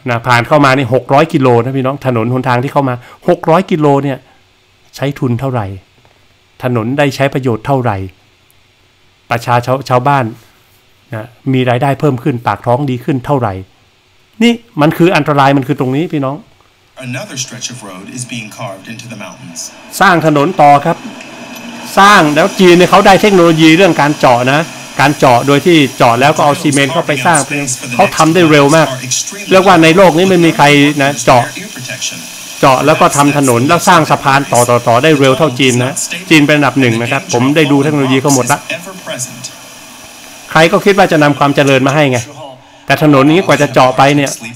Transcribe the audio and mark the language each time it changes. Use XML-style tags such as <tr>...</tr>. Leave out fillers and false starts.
<th>นะผ่านเข้ามานี่600กิโลนะพี่น้องถนนหนทางที่เข้ามา600กิโลเนี่ยใช้ทุนเท่าไหร่ถนนได้ใช้ประโยชน์เท่าไหร่ประชาชาวบ้านนะมีรายได้เพิ่มขึ้นปากท้องดีขึ้นเท่าไหร่นี่มันคืออันตรายมันคือตรงนี้พี่น้อง</th> <en>Another stretch of road is being carved into the mountains</en> <th>สร้างถนนต่อครับสร้างแล้วจีนเนี่ยเขาได้เทคโนโลยีเรื่องการเจาะนะการเจาะโดยที่เจาะแล้วก็เอาซีเมนต์เข้าไปสร้างเขาทำได้เร็วมากเรียกว่าในโลกนี้ไม่มีใครนะเจาะแล้วก็ทำถนนแล้วสร้างสะพานต่อได้เร็วเท่าจีนนะจีนเป็นอันดับหนึ่งนะครับผมได้ดูเทคโนโลยีเขาหมดละใครก็คิดว่าจะนำความเจริญมาให้ไงแต่ถนนนี้กว่าจะเจาะไปเนี่ย</th>